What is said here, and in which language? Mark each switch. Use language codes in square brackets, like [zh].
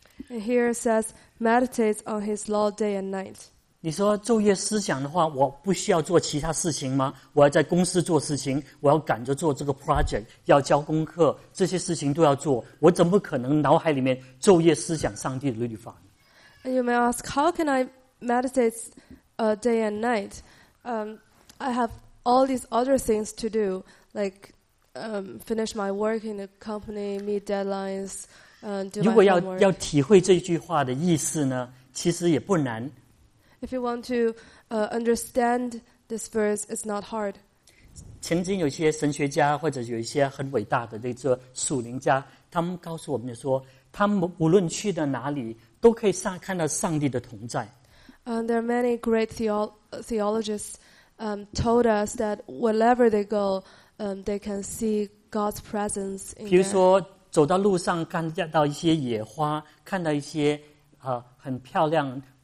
[en] And here it says, meditate on his law day and night. [zh] 你说昼夜思想的话，我不需要做其他事情吗？我要在公司做事情，我要赶着做这个 project， 要交功课，这些事情都要做，我怎么可能脑海里面昼夜思想上帝的律法呢？ [en] And you may ask, how can I meditate day and night? I have all these other things to do, like finish my work in the company, meet deadlines, do my homework. [zh] 如果要体会这句话的意思呢，其实也不难。 [en] If you want to understand this verse, it's not hard. [zh] 曾经有些神学家或者有一些很伟大的这个属灵家，他们告诉我们说，他们无论去到哪里，都可以看到上帝的同在。 [en] There are many great theologists told us that wherever they go, they can see God's presence. [zh] 比如说，走到路上看到一些野花，看到一些很漂亮。